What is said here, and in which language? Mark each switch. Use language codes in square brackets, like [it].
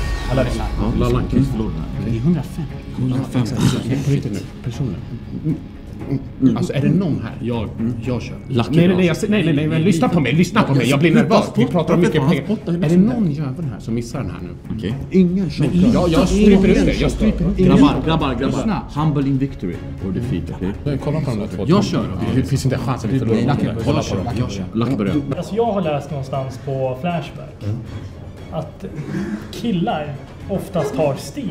[sv] Alla lackens förlorna. Det är 150. 150. På riktigt nu, personer. Alltså, är det någon här? Jag kör. Nej. Lyssna på mig, Jag blir nervös. Vi pratar om mycket pengar. Är det någon jävel här som missar den här nu? Okej. Ingen kör. Jag stryper ut det. Grabbar. [en] Humble in victory or defeat, okej? [sv] Kolla på de där två. Jag kör. Det finns inte en chans att vi förlorar. Lacken börjar. Kolla på dem. Jag kör. Lacken börjar. Alltså, jag har läst någonstans på Flashback att killar oftast har stil.